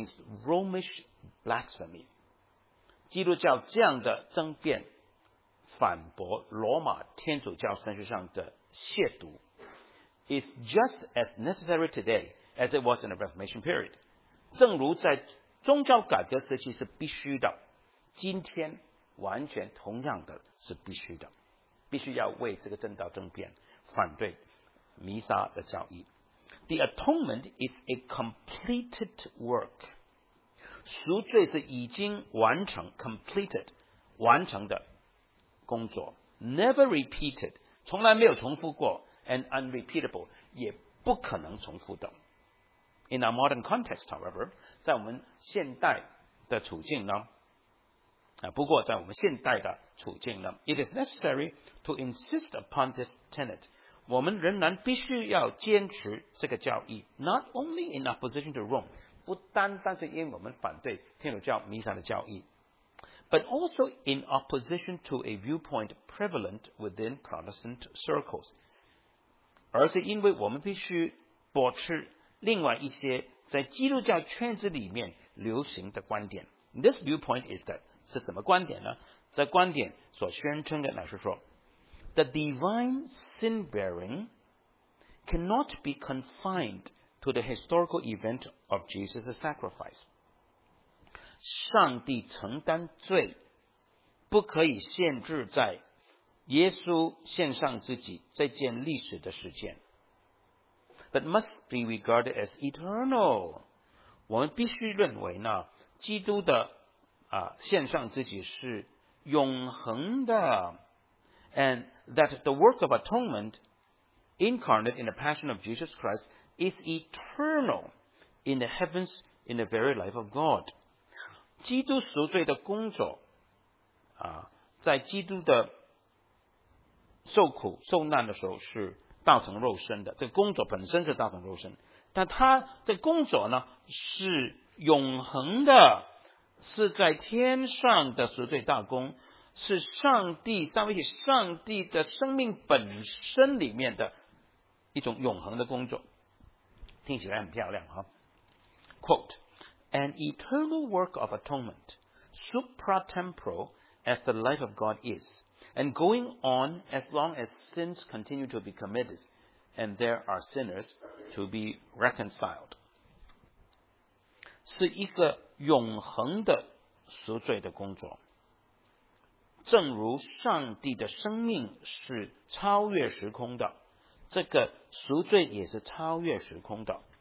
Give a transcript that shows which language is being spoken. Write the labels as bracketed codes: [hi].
[en] This polemic against Romish blasphemy. [zh] 基督教这样的争辩反驳罗马天主教神学上的亵渎 [en] is just as necessary today as it was in the Reformation period. [zh] 正如在宗教改革时期是必须的，今天完全同样的是必须的，必须要为这个正道争辩，反对弥撒的教义。 [en] The atonement is a completed work. [zh] 赎罪是已经完成 completed 完成的工作， [en] never repeated [zh] 从来没有重复过， [en] and unrepeatable [zh] 也不可能重复的。 [en] In our modern context, however, [zh] 在我们现代的处境呢，不过在我们现代的处境呢， [en] it is necessary to insist upon this tenet. [zh] 我们仍然必须要坚持这个教义， [en] not only in opposition to Rome， [zh] 不单单是因为我们反对天主教弥撒的教义， [en] but also in opposition to a viewpoint prevalent within Protestant circles， [zh] 而是因为我们必须保持另外一些在基督教圈子里面流行的观点。 [en] This viewpoint is that [zh] 是什么观点呢？ 这观点所宣称的乃是说， [en] The divine sin-bearing cannot be confined to the historical event of Jesus' sacrifice. [zh] 上帝承担罪不可以限制在耶稣献上自己这件历史的事件。 [en] But must be regarded as eternal. [zh] 我们必须认为呢，基督的献上自己是永恒的。 [en] And that the work of atonement incarnate in the passion of Jesus Christ is eternal in the heavens in the very life of God. [zh] 基督赎罪的工作在基督的受苦受难的时候是道成肉身的，这个工作本身是道成肉身，但他这工作呢是永恒的，是在天上的赎罪大功，是上帝三位一体上帝的生命本身里面的一种永恒的工作。听起来很漂亮哈。 [en] Quote, An eternal work of atonement, supratemporal as the life of God is, and going on as long as sins continue to be committed, and there are sinners to be reconciled. [zh] 是一个永恒的赎罪的工作。正如上帝的生命是超越时空的，这个赎罪也是超越时空的。